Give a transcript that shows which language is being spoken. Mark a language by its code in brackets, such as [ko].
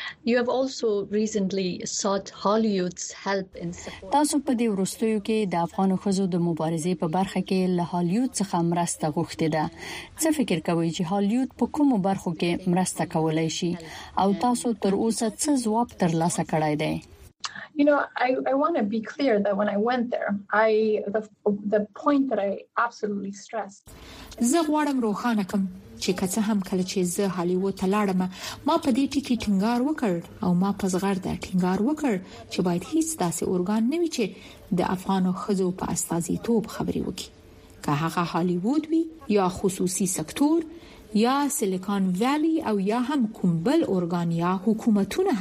[en] You have also recently sought Hollywood's help in support. [ps] تاسو په دې ورستیو کې د افغان خزو د مبارزې په برخه کې له هالیوډ څخه مرسته غوښتید. څه فکر کوئ چې هالیوډ په کومو برخو کې مرسته کولای شي، او تاسو تر اوسه څه ځواب ترلاسه کړی دی؟ [en] You know, I want to be clear that when I went there, the point that I absolutely stressed. [ps] زه غواړم روښانه کړم چې که څه هم کله چې زه هالیوډ ته لاړم، ما په دې ټکي ټینګار وکړ، او ما په زغرده ټینګار وکړ چې باید هیڅ داسې ارګان نه وي چې د افغانو ښځو په استازي توپ خبري وکړي، که هغه هالیوډ وي یا خصوصي سکتور یا سیلیکون ویلی او یا هم کوم بل ارګان یا حکومتونه.